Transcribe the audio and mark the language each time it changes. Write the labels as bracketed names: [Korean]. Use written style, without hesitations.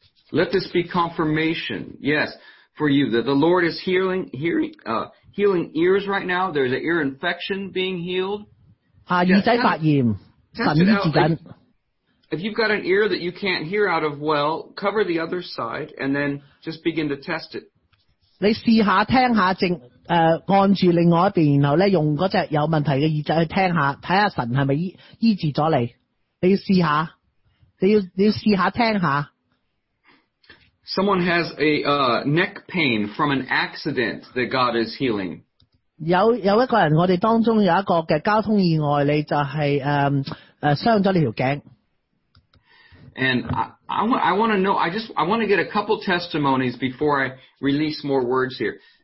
[English] Let this be confirmation, yes, for you that the Lord is healing ears right now. There's an ear infection being healed. [Cantonese] 耳仔发炎。神医治紧， [English] if you've got an ear that you can't hear out of well, cover the other side and then just begin to test it. [Cantonese] 你试下听下正按住另外一边，然后咧用嗰只有问题嘅耳仔去听下，睇下神系咪医治咗你。你要试下，你要试下听下。 [English] Someone has a neck pain from an accident that God is healing. [Cantonese] 有一个人，我哋当中有一个嘅交通意外，你就系伤咗你条颈。 [English] And I want to know, I want to get a couple testimonies before I release more words here.